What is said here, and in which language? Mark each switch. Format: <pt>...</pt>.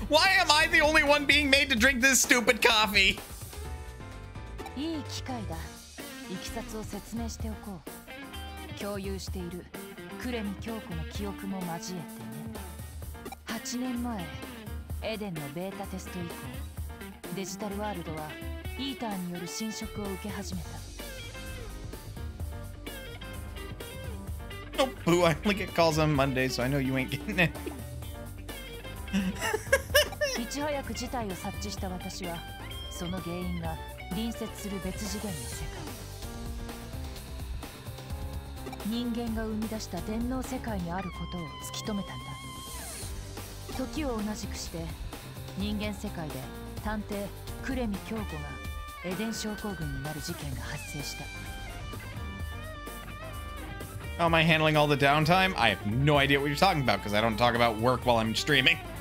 <en>Why am I the only one being made to drink this stupid coffee?</en> <ja>いい機会だ。いきさつを説明しておこう。共有しているクレミ京子の記憶も交えてね。 8年前、エデンのベータテスト以降、デジタルワールドはイーターによる侵食を受け始めた。</ja> <en>Oh, boo, I think it calls on Monday, so I know you ain't getting it.</en> <ja>いち早く事態を察知した私は、その原因が隣接する別次元の世界。人間が生み出した電脳世界にあることを突き止めたんだ。時を同じくして、人間世界で探偵クレミ京子がエデン症候群になる事件が発生した。</ja> <en>How am I handling all the downtime? I have no idea what you're talking about because I don't talk about work while I'm streaming.</en>